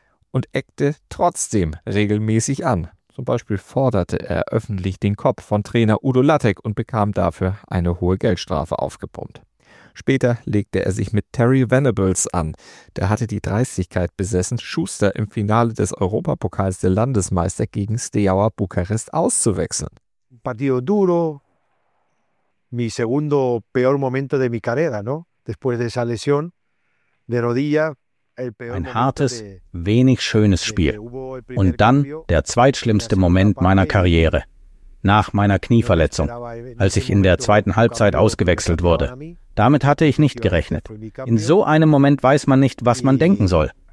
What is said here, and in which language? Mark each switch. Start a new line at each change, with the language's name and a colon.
German: Und eckte trotzdem regelmäßig an. Zum Beispiel forderte er öffentlich den Kopf von Trainer Udo Lattek und bekam dafür eine hohe Geldstrafe aufgepumpt. Später legte er sich mit Terry Venables an. Der hatte die Dreistigkeit besessen, Schuster im Finale des Europapokals der Landesmeister gegen Steaua Bukarest auszuwechseln.
Spanish: Partido duro, mi segundo peor momento de mi carrera, no? Después de esa lesión de rodilla.
German: Ein hartes, wenig schönes Spiel. Und dann der zweitschlimmste Moment meiner Karriere. Nach meiner Knieverletzung, als ich in der zweiten Halbzeit ausgewechselt wurde. Damit hatte ich nicht gerechnet. In so einem Moment weiß man nicht, was man denken soll.